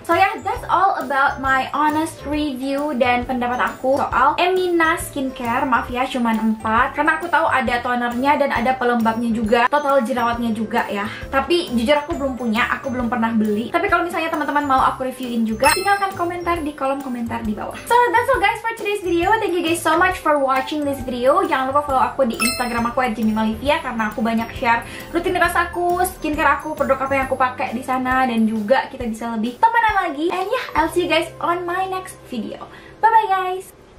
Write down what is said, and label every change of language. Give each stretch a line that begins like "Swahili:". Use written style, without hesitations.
English: So yeah, that's all about my honest review
Indonesian: dan pendapat aku soal Emina skincare. Maaf ya, cuman 4. Karena aku tahu ada tonernya dan ada pelembabnya juga, total jerawatnya juga ya. Tapi jujur aku belum punya, aku belum pernah beli. Tapi kalau misalnya teman-teman mau aku reviewin juga, tinggalkan komentar di kolom komentar di bawah.
English: So that's all guys for today's video. Thank you guys so much for watching this video.
Indonesian: Jangan lupa follow aku di Instagram aku @jimmymalivia, karena aku banyak share rutinitas aku, skincare aku, produk apa yang aku pakai di sana, dan juga kita bisa lebih temenan lagi.
English: And yeah, I'll see you guys on my next video. Bye bye guys.